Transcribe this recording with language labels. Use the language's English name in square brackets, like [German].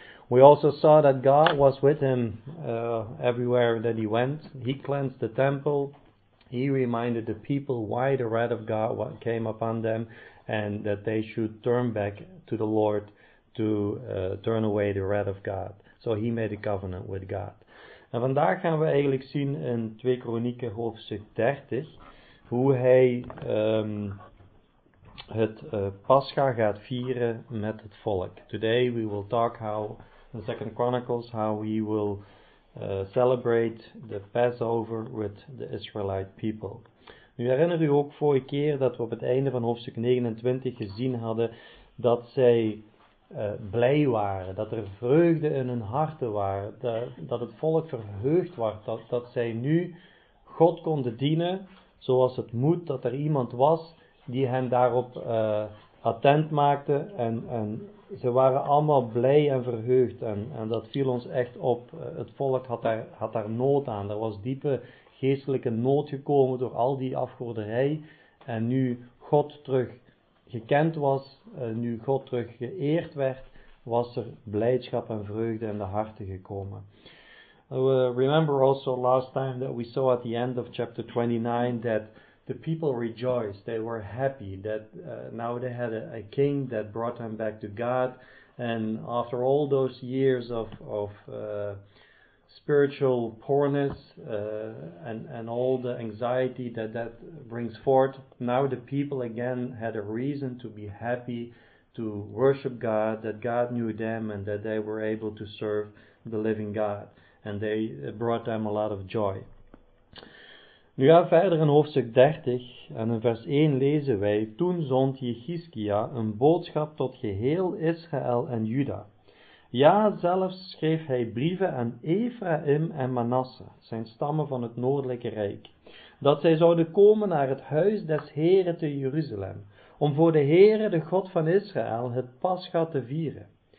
[English] We also saw that God was with him everywhere that he went. He cleansed the temple. He reminded the people why the wrath of God came upon them and that they should turn back to the Lord to turn away the wrath of God. So he made a covenant with God. [Dutch] En vandaag gaan we eigenlijk zien in 2 Kronieken hoofdstuk 30 hoe hij het Pascha gaat vieren met het volk. [English] Today we will talk how in 2 Chronicles how he will celebrate the Passover with the Israelite people. [Dutch] Nu herinner u ook vorige keer dat we op het einde van hoofdstuk 29 gezien hadden dat zij blij waren, dat er vreugde in hun harten waren, dat het volk verheugd was, dat zij nu God konden dienen zoals het moet, dat er iemand was die hen daarop attent maakte en ze waren allemaal blij en verheugd en dat viel ons echt op. Het volk had daar nood aan. Er was diepe geestelijke nood gekomen door al die afgoderij. En nu God terug gekend was, nu God terug geëerd werd, was er blijdschap en vreugde in de harten gekomen. [English] We remember also last time that we saw at the end of chapter 29 that the people rejoiced, they were happy that now they had a king that brought them back to God. And after all those years of spiritual poorness and all the anxiety that brings forth, now the people again had a reason to be happy, to worship God, that God knew them and that they were able to serve the living God. And they brought them a lot of joy. [Dutch] Nu gaan we verder in hoofdstuk 30 en in vers 1 lezen wij, toen zond Hizkia een boodschap tot geheel Israël en Juda. Ja, zelfs schreef hij brieven aan Ephraim en Manasse, zijn stammen van het noordelijke rijk, dat zij zouden komen naar het huis des Heren te Jeruzalem, om voor de Heren, de God van Israël, het Pascha te vieren.